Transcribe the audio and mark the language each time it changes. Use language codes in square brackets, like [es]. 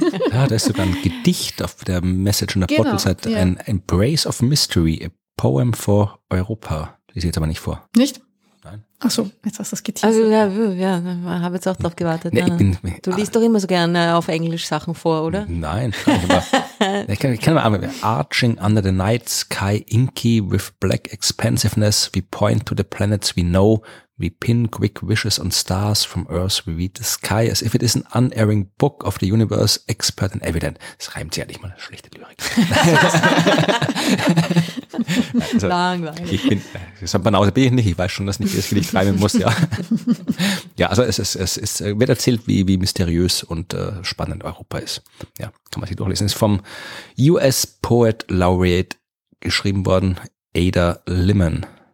[de] Ja, da ist sogar ein Gedicht auf der Message in der Bottle-Seite. Ein Embrace of Mystery, a Poem for Europa. Lese ich jetzt aber nicht vor. Nicht? Nein. Ach so, jetzt hast du das geteasert. Also ja, habe jetzt auch drauf gewartet. Ja, du liest doch immer so gerne auf Englisch Sachen vor, oder? Nein. Ich kann mal anfangen. [en] Arching under the night sky inky with black expansiveness, we point to the planets we know, we pin quick wishes on stars from earth, we read the sky as if it is an unerring book of the universe, expert and evident. [de] Das reimt sich ja nicht mal, schlechte Lyrik. Also, langweilig. Ich weiß schon, dass ich das Gedicht reimen muss, ja. Ja, also es wird erzählt, wie mysteriös und spannend Europa ist. Ja, kann man sich durchlesen. Es ist vom US Poet Laureate geschrieben worden, Ada Limon.